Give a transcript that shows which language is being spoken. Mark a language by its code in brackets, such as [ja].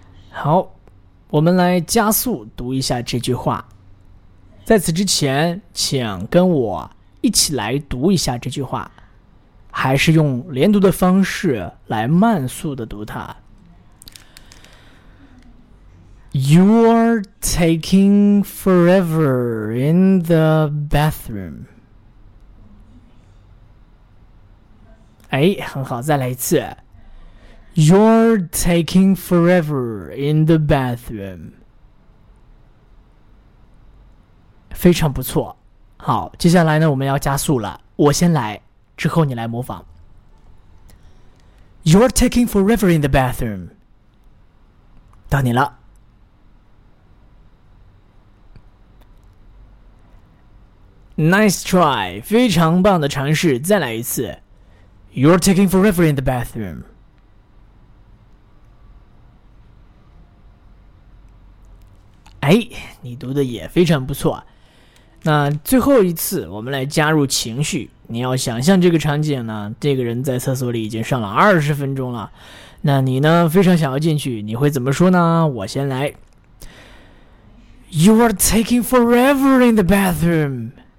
[zh] 好，我们来加速读一下这句话。在此之前，请跟我一起来读一下这句话，还是用连读的方式来慢速的读它。 [en] You're taking forever in the bathroom. [zh] 哎，很好，再来一次。 [en] You're taking forever in the bathroom. [zh] 非常不错。好，接下来呢，我们要加速了。我先来，之后你来模仿。 [en] You're taking forever in the bathroom. [zh] 到你了。 [en] Nice try, [zh] 非常棒的尝试，再来一次。 [en] You're taking forever in the bathroom. [zh] 哎，你读的也非常不错。那最后一次我们来加入情绪，你要想象这个场景呢，这个人在厕所里已经上了20分钟了，那你呢非常想要进去，你会怎么说呢？我先来。 [en] You are taking forever in the bathroom.